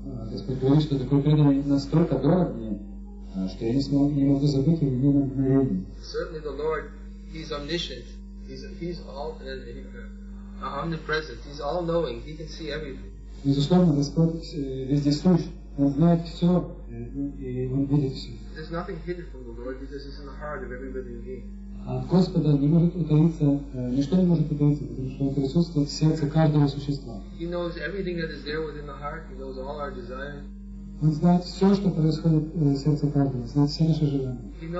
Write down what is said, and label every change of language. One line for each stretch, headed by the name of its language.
Russian: Господь говорит, что такой преданный настолько дорог мне, что я не могу забыть его ни на мгновение.
English: Certainly the Lord, He's omniscient, He's all and omnipresent, He's all knowing, He can see everything.
Russian: Безусловно, Господь вездесущ, Он знает все, и Он видит все.
English: There's nothing hidden from the Lord because He's in the heart of everybody in being.
Russian: А от Господа не может утаиться, ничто не может утаиться, потому что Он присутствует в сердце каждого существа.
English: He knows everything that is there within the heart, He knows all our desires.
Russian: Он знает все, что происходит в сердце каждого, знает все наши желания.